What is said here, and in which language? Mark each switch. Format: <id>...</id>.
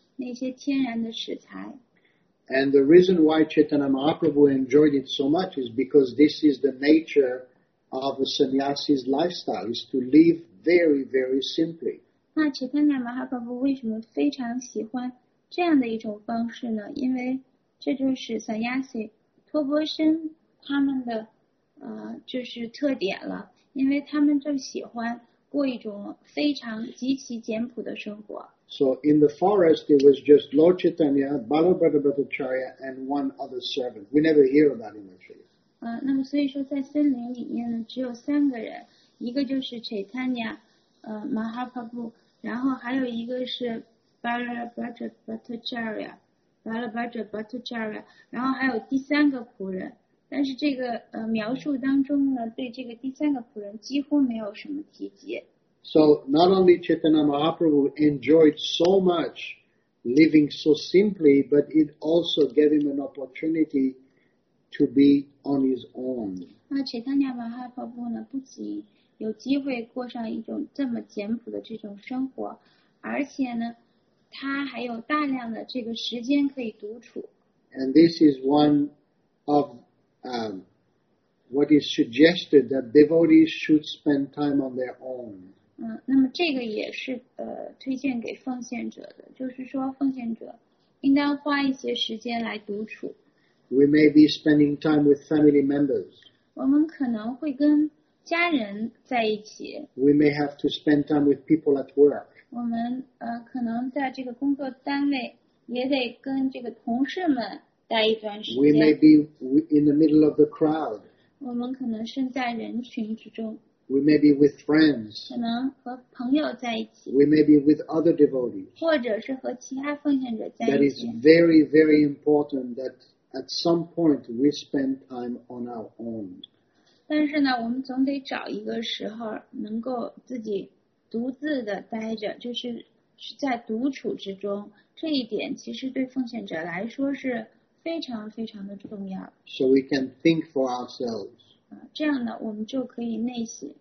<zh>他们就吃一些这个森林里的那些天然的食材。</zh> <en>And the reason why Chaitanya Mahaprabhu enjoyed it so much is because this is the nature of a sannyasi's lifestyle, is to live very, very simply.</en> <zh>那Chaitanya Mahaprabhu为什么非常喜欢这样的一种方式呢？因为 这就是sannyasi脱钵僧他们的就是特点了，因为他们就喜欢过一种非常极其简朴的生活。</zh> <en>So in the forest, it was just Lord Chaitanya, Balabhadra Bhattacharya, and one other servant. We never hear about him actually.</en> <zh>那么所以说在森林里面呢，只有三个人，一个就是 Chaitanya, Mahaprabhu, 然后还有一个是 Balabhadra Bhattacharya, Balabhadra Bhattacharya, 然后还有第三个仆人。但是这个描述当中呢，对这个第三个仆人几乎没有什么提及。</zh> <en>So not only Chaitanya Mahaprabhu enjoyed so much living so simply, but it also gave him an opportunity to be on his own.</en> <zh>那 Chaitanya Mahaprabhu 呢，不仅有机会过上一种这么简朴的这种生活，而且呢，他还有大量的这个时间可以独处。</zh> <en>And this is one of what is suggested that devotees should spend time on their own.</en> <zh>那么这个也是推荐给奉献者的，就是说奉献者应当花一些时间来独处。</zh> <en>We may be spending time with family members.</en> <zh>我们可能会跟家人在一起。</zh> <en>We may have to spend time with people at work.</en> <zh>我们可能在这个工作单位也得跟这个同事们待一段时间。</zh> <en>We may be in the middle of the crowd.</en> <zh>我们可能身在人群之中。</zh> <en>We may be with friends.</en> <zh>可能和朋友在一起。</zh> <en>We may be with other devotees.</en> <zh>或者是和其他奉献者在一起。</zh> <en>That is very, very important that at some point we spend time on our own.</en> <zh>但是呢，我们总得找一个时候能够自己独自的待着，就是在独处之中。这一点其实对奉献者来说是非常非常的重要。</zh> <en>So we can think for ourselves.</en> <zh>这样呢，我们就可以内省。</zh>